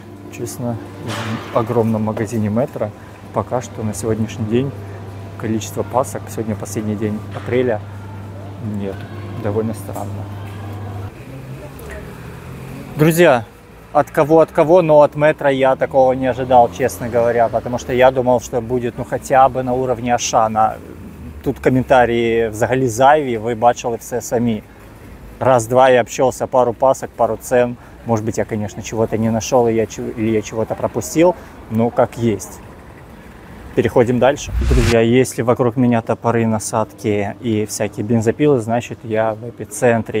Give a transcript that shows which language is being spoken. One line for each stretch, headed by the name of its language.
Russian: Честно, в огромном магазине Метро пока что на сегодняшний день количество пасок, сегодня последний день апреля, нет. Довольно странно. Друзья, от кого, но от Метро я такого не ожидал, честно говоря, потому что я думал, что будет, ну, хотя бы на уровне Ашана.
Ukrainian: Тут комментарии взагалі зайві, вы бачили все сами.
Russian: Раз-два я общался, пару пасок, пару цен. Может быть, я, конечно, чего-то не нашел, или я чего-то пропустил, но как есть. Переходим дальше. Друзья, если вокруг меня топоры, насадки и всякие бензопилы, значит, я в эпицентре.